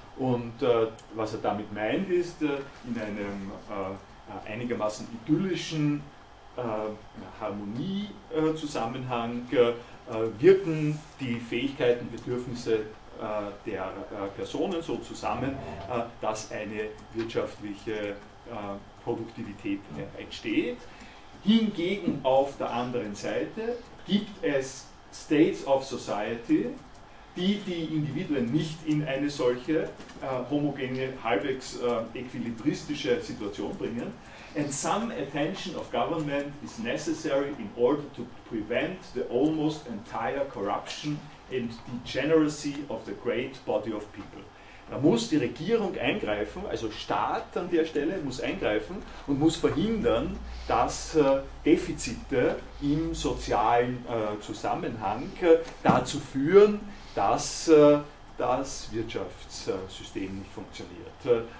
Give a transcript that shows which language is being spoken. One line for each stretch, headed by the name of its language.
German: Und was er damit meint ist, in einem einigermaßen idyllischen Harmoniezusammenhang wirken die Fähigkeiten, Bedürfnisse der Personen so zusammen, dass eine wirtschaftliche Produktivität entsteht. Hingegen auf der anderen Seite gibt es
English: States of Society,
German: die Individuen nicht in eine solche homogene, halbwegs äquilibristische Situation bringen.
English: And some attention of government is necessary in order to prevent the almost entire corruption and degeneracy of the great body of people.
German: Da muss die Regierung eingreifen, also Staat an der Stelle muss eingreifen und muss verhindern, dass Defizite im sozialen Zusammenhang dazu führen, dass das Wirtschaftssystem nicht funktioniert.